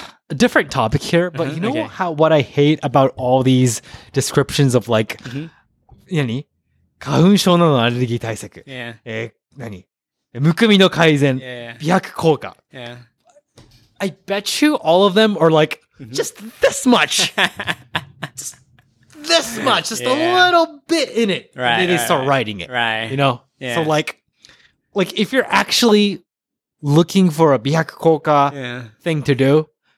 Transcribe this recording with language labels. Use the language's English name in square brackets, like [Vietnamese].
[English] A different topic here, but you know how what I hate about all these descriptions of like... [Japanese] 何？花粉症などのアレルギー対策。 [English] Yeah. [Japanese] 何？むくみの改善、美白効果。 [English] Yeah. I bet you all of them are like just this much, a little bit in it. Right. And then they start writing it. Right. You know. Yeah. So like if you're actually looking for a 美白効果thing to do,